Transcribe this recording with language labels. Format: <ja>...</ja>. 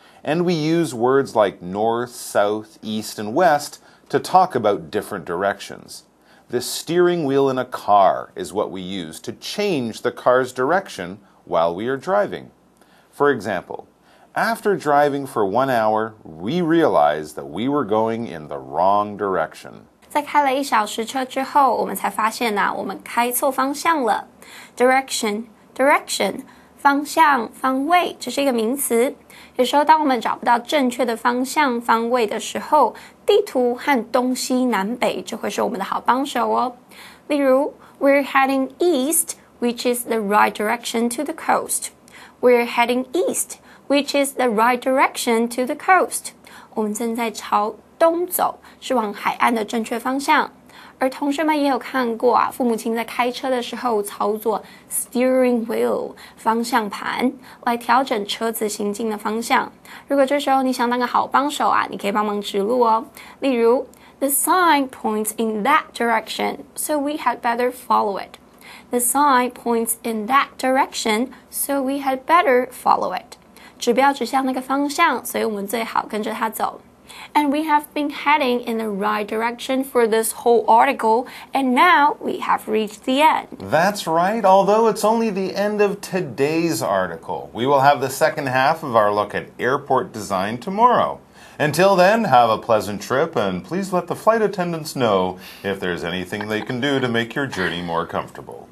<en>And we use words like north, south, east, and west to talk about different directions. The steering wheel in a car is what we use to change the car's direction while we are driving. For example, after driving for 1 hour, we realized that we were going in the wrong direction.</en> <zh>在开了一小时车之后，我们才发现啊，我们开错方向了。</zh> <en>Direction, direction,</en> <zh>方向、方位，这是一个名词。有时候当我们找不到正确的方向、方位的时候，地图和东西南北就会是我们的好帮手哦。例如</zh> <en>,we're heading east, which is the right direction to the coast. We're heading east, which is the right direction to the coast.</en> <zh>我们正在朝东走，是往海岸的正确方向。而同学们也有看过啊，父母亲在开车的时候操作 steering wheel 方向盘来调整车子行进的方向。如果这时候你想当个好帮手啊，你可以帮忙指路哦。例如</zh> <en>，The sign points in that direction, so we had better follow it. The sign points in that direction, so we had better follow it.</en> <zh>指标指向那个方向，所以我们最好跟着它走。</zh> <en>And we have been heading in the right direction for this whole article, and now we have reached the end. That's right, although it's only the end of today's article. We will have the second half of our look at airport design tomorrow. Until then, have a pleasant trip, and please let the flight attendants know if there's anything they can do to make your journey more comfortable.</en>